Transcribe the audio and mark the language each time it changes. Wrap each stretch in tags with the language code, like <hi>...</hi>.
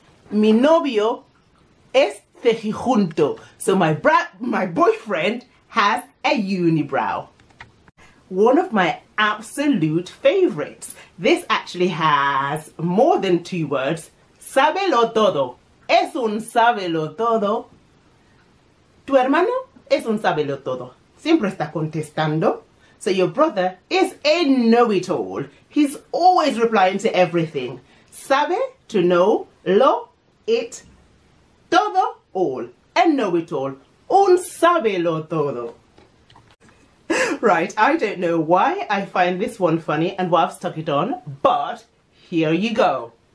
<es>Mi novio es cejijunto.</es> <en>So my boyfriend has a unibrow. One of my absolute favorites. This actually has more than two words.</en> <es>Sabelo todo. Es un sabelo todo. Tu hermano es un sabelo todo. Siempre está contestando.</es> <en>So your brother is a know-it-all. He's always replying to everything. Sabe, to know, lo, it, todo, all. A know-it-all.</en> <es>Un sabelo todo.</es> <en>Right, I don't know why I find this one funny and why I've stuck it on, but here you go.</en>